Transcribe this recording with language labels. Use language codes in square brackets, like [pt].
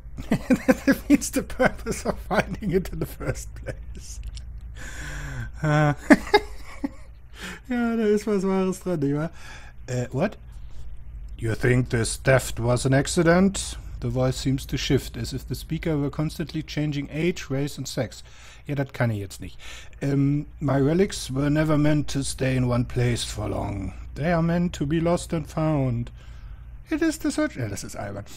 [en] That defeats the purpose of finding it in the first place. [de] ja, da ist was Wahres dran, nicht wahr? [en] What? You think this theft was an accident? The voice seems to shift, as if the speaker were constantly changing age, race and sex. [de] Ja, das kann ich jetzt nicht. [en] My relics were never meant to stay in one place for long. They are meant to be lost and found. It is the search... [de] Ja, das ist albern.